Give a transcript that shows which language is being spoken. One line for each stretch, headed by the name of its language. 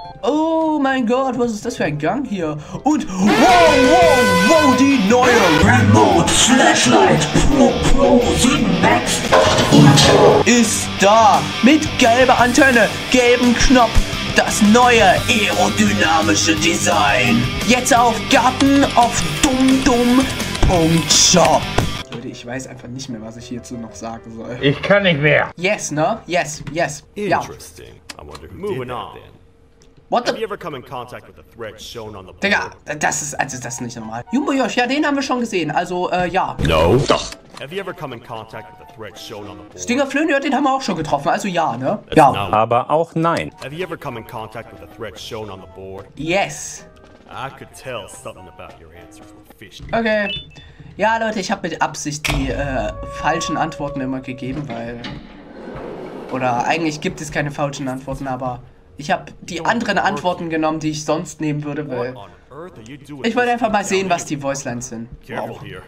German: Oh mein Gott, was ist das für ein Gang hier? Und wow, wow, wow, die neue Remote Flashlight Pro 7 Max ist da. Mit gelber Antenne, gelben Knopf. Das neue aerodynamische Design. Jetzt auf Garten auf dumdum.shop. Ich weiß einfach nicht mehr, was ich hierzu noch sagen soll. Ich kann nicht mehr.
English: Yes, no? Yes, yes. Interesting.
German: Ja.
English: I wonder who Moving did that then. What the? Have you ever come in contact with the threat shown on the board?
German: Digga, das ist nicht normal. Jumbo Josh, ja, den haben wir schon gesehen. Also, ja.
English: No.
German: Doch.
English: Have you ever come in contact with the threat shown on the board?
German: Stinger Flöhn, ja, den haben wir auch schon getroffen. Also, ja, ne? Ja. Aber auch nein.
English: Have you ever come in contact with the threat shown on the board? Yes. I could tell something about your answers were fishy. Okay.
German: Ja, Leute, ich habe mit Absicht die falschen Antworten immer gegeben, weil... Oder eigentlich gibt es keine falschen Antworten, aber ich habe die anderen Antworten genommen, die ich sonst nehmen würde, weil... Ich wollte einfach mal sehen, was die Voice Lines sind. Wow.